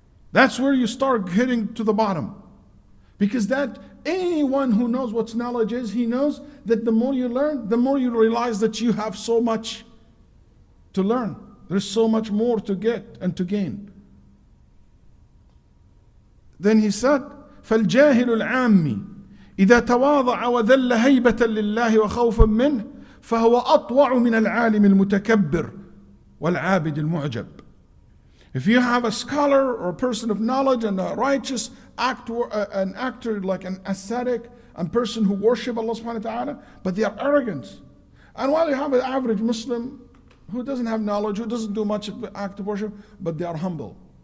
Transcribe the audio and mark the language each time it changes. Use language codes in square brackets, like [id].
[en] That's where you start getting to the bottom. Because that anyone who knows what knowledge is, he knows that the more you learn, the more you realize that you have so much to learn. There's so much more to get and to gain. [ar] Then he said, فَالْجَاهِلُ الْعَامِّ إذا تواضع وذل هيبة لله وخوفا منه فهو أطوع من العالم المتكبر والعابد المعجب. [en] If you have a scholar or a person of knowledge and a righteous actor, an actor like an ascetic, a person who worship Allah subhanahu wa ta'ala, but they are arrogant. And while you have an average Muslim who doesn't have knowledge, who doesn't do much of act of worship, but they are humble.